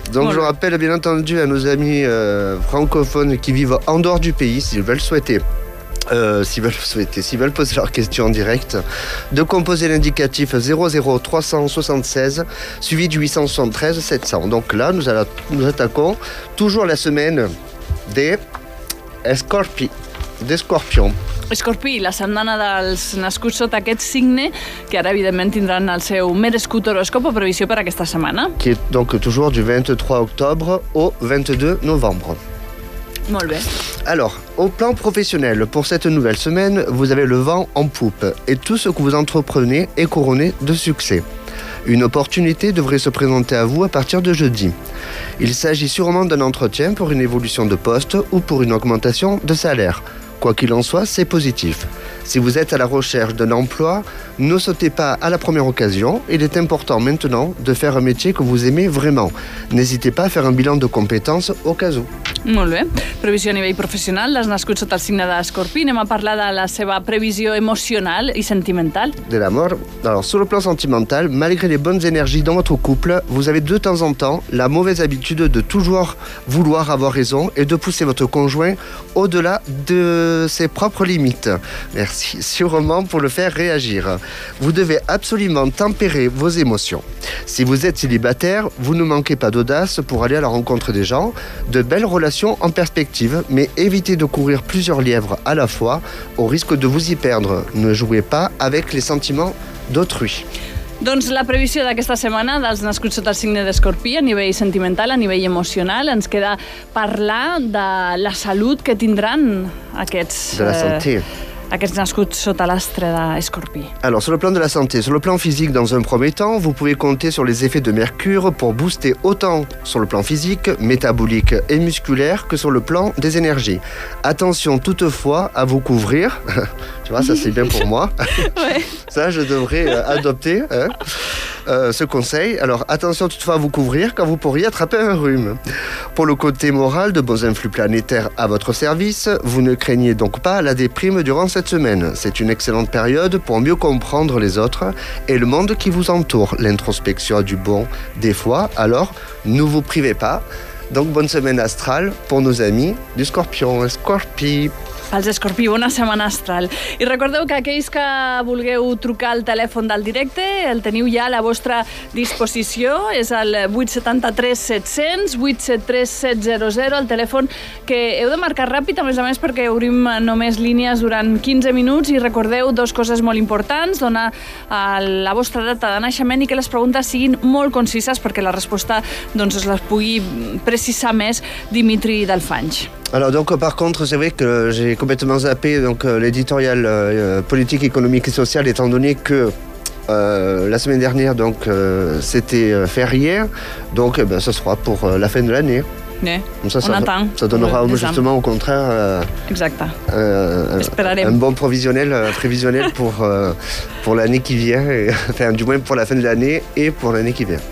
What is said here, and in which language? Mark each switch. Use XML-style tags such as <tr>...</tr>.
<fr>Donc, bon. Je rappelle, bien entendu, à nos amis francophones qui vivent en dehors du pays, s'ils veulent poser leur question en direct, de composer l'indicatif 00376 suivi du 873-700. Donc là, nous attaquons toujours la semaine...</fr> <ca>d'escorpions. Escorpí, la setmana dels nascuts sota aquest signe, que ara evidentment tindran el seu merescut horòscop o previsió per aquesta setmana. Que és,</ca> <fr>donc, toujours du 23 octobre au 22 novembre.</fr> <ca>Molt bé.</ca> <fr>Alors, au plan professionnel, pour cette nouvelle semaine, vous avez le vent en poupe et tout ce que vous entreprenez est couronné de succès. Une opportunité devrait se présenter à vous à partir de jeudi. Il s'agit sûrement d'un entretien pour une évolution de poste ou pour une augmentation de salaire. Quoi qu'il en soit, c'est positif. Si vous êtes à la recherche d'un emploi, ne sautez pas à la première occasion. Il est important maintenant de faire un métier que vous aimez vraiment. N'hésitez pas à faire un bilan de compétences au cas où.</fr> <ca>Molt bé. Previsió a nivell professional. L'has nascut sota el signe d'Escorpí. Anem a parlar de la seva previsió emocional i sentimental. De l'amor.</ca> <fr>Alors, sur le plan sentimental, malgré les bonnes énergies dans votre couple, vous avez de temps en temps la mauvaise habitude de toujours vouloir avoir raison et de pousser votre conjoint au-delà de ses propres limites. Merci sûrement pour le faire réagir. Vous devez absolument tempérer vos émotions. Si vous êtes célibataire, vous ne manquez pas d'audace pour aller à la rencontre des gens, de belles relations en perspective, mais évitez de courir plusieurs lièvres à la fois au risque de vous y perdre. Ne jouez pas avec les sentiments d'autrui.</fr> <ca>Doncs la previsió d'aquesta setmana dels nascuts sota el signe d'Escorpí a nivell sentimental, a nivell emocional, ens queda parlar de la salut que tindran aquests...</ca> <fr>De la santé.</fr> <ca>Aquests nascuts sota l'astre d'Escorpí.</ca> <fr>Alors, sur le plan de la santé, sur le plan physique, dans un premier temps, vous pouvez compter sur les effets de Mercure pour booster autant sur le plan physique, métabolique et musculaire que sur le plan des énergies. Attention toutefois à vous couvrir. Tu vois, ça c'est bien pour moi. Ouais. Ça, je devrais adopter hein, ce conseil. Alors, attention toutefois à vous couvrir quand vous pourriez attraper un rhume. Pour le côté moral, de bons influx planétaires à votre service, vous ne craignez donc pas la déprime durant cette semaine. C'est une excellente période pour mieux comprendre les autres et le monde qui vous entoure. L'introspection a du bon des fois, alors ne vous privez pas. Donc bonne semaine astrale pour nos amis du Scorpion. Scorpi.</fr> <ca>pels Escorpí, bona setmana astral. I recordeu que aquells que vulgueu trucar al telèfon del directe, el teniu ja a la vostra disposició, és el 873-700-873-700, el telèfon que heu de marcar ràpid, a més perquè obrim només línies durant 15 minuts, i recordeu dues coses molt importants: donar la vostra data de naixement i que les preguntes siguin molt concises perquè la resposta doncs es les pugui precisar més Dimitri Delfanys.</ca> <fr>Alors donc par contre c'est vrai que j'ai complètement zappé donc l'éditorial politique, économique et sociale, étant donné que la semaine dernière donc c'était férié, donc ben, ce sera pour la fin de l'année. Ouais. Donc, ça donnera justement au contraire un bon prévisionnel pour l'année qui vient, enfin du moins pour la fin de l'année et pour l'année qui vient.</fr>